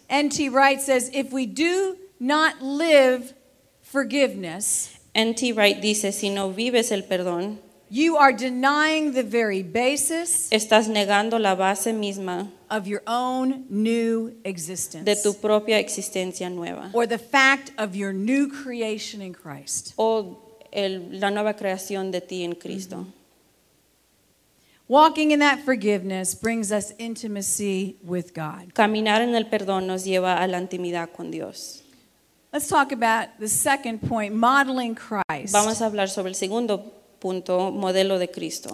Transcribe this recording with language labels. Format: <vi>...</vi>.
<en>N.T. Wright says, if we do not live forgiveness,</en> <es>N.T. Wright dice, si no vives el perdón,</es> <en>you are denying the very basis,</en> <es>estás negando la base misma,</es> <en>of your own new existence,</en> <es>de tu propia existencia nueva,</es> <en>or the fact of your new creation in Christ,</en> <es>o la nueva creación de ti en Cristo. Mm-hmm.</es> <en>Walking in that forgiveness brings us intimacy with God.</en> <es>Caminar en el perdón nos lleva a la intimidad con Dios.</es> <en>Let's talk about the second point, modeling Christ.</en> <es>Vamos a hablar sobre el segundo punto, modelo de Cristo.</es>